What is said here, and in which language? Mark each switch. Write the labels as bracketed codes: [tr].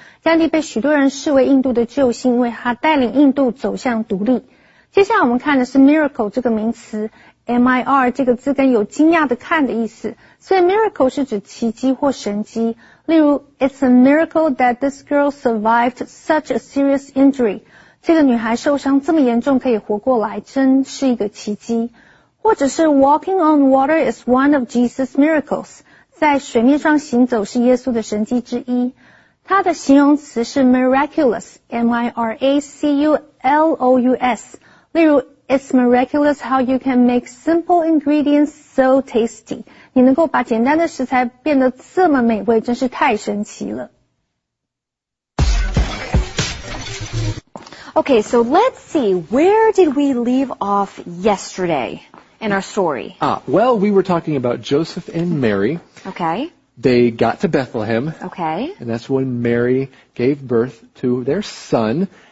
[zh] Gandhi 被许多人视为印度的救星，因为他带领印度走向独立。接下来我们看的是 miracle 这个名词， M-I-R 这个字根有惊讶的看的意思，所以 miracle 是指奇迹或神迹。例如 [en] It's a miracle that this girl survived such a serious injury. [zh] 这个女孩受伤这么严重可以活过来，真是一个奇迹。或者是 [en] Walking on water is one of Jesus' miracles. [zh] 在水面上行走是耶稣的神迹之一。它的形容词是 miraculous, M-I-R-A-C-U-L-O-U-S. 例如 [en] It's miraculous how you can make simple ingredients so tasty. [zh] 你能够把简单的食材变得这么美味，真是太神奇了。 [en] Okay, so let's see, where did we leave off yesterday in our story? Well, we were talking about Joseph and Mary. Okay. They got to Bethlehem. Okay. And that's when Mary gave birth to their son.